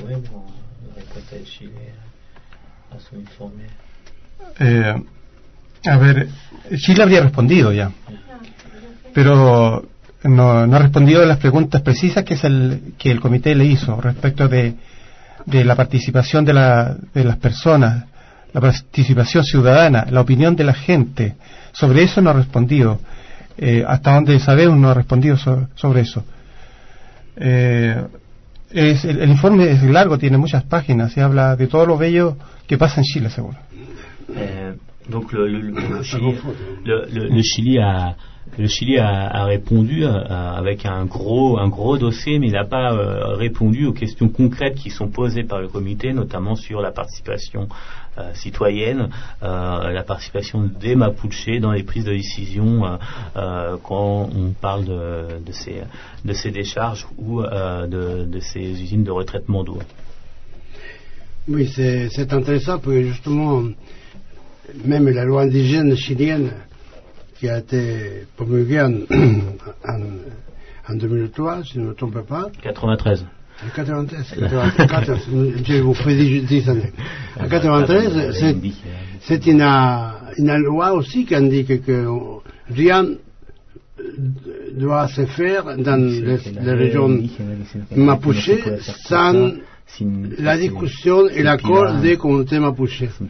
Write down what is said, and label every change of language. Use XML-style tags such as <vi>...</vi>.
<fr>Oui, la réponse à Chili à son informé.</fr> <es>A ver, Chile habría respondido ya, pero no ha respondido a las preguntas precisas que el comité le hizo respecto de la participación de las personas, la participación ciudadana, la opinión de la gente. Sobre eso no ha respondido. Hasta donde sabemos no ha respondido sobre eso. El informe es largo, tiene muchas páginas y habla de todo lo bello que pasa en Chile, seguro.</es> <fr>Donc le Chili a répondu avec un gros dossier, mais il n'a pas répondu aux questions concrètes qui sont posées par le comité, notamment sur la participation citoyenne, la participation des Mapuches dans les prises de décision quand on parle de ces décharges ou de ces usines de retraitement d'eau. Oui, c'est intéressant parce que justement même la loi indigène chilienne qui a été promulguée en 2003, si je ne me trompe pas. 93. En 93, je vous fais 10 années. En 93, c'est une loi aussi qui indique que rien doit se faire dans les régions Mapuche sans</fr> <es>la discusión y la corde con un tema mapuche.</es>